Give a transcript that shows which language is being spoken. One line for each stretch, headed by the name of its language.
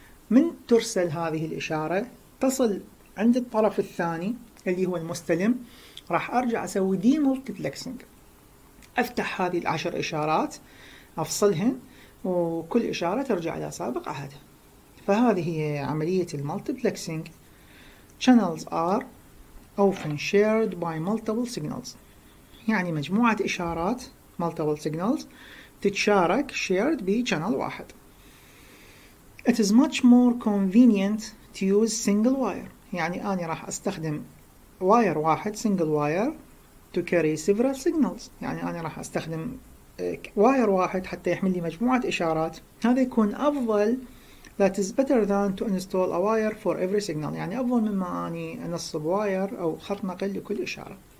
Arabic: من ترسل هذه الاشاره تصل عند الطرف الثاني اللي هو المستلم، راح ارجع اسوي دي مالتيبلكسنج، افتح هذه ال10 اشارات افصلهن، وكل اشاره ترجع الى سابق عهدها. فهذه هي عمليه المالتيبلكسنج.
English: channels are often shared by multiple signals،
Arabic: يعني مجموعه اشارات
English: multiple signals
Arabic: تتشارك
English: shared ب channel واحد. it is much more convenient to use single wire،
Arabic: يعني انا راح استخدم واير واحد،
English: single wire, to carry several signals,
Arabic: يعني انا راح استخدم واير واحد حتى يحمل لي مجموعه اشارات. هذا يكون افضل،
English: that is better than to install a wire for every signal,
Arabic: يعني افضل مما اني انصب واير او خط نقل لكل اشاره.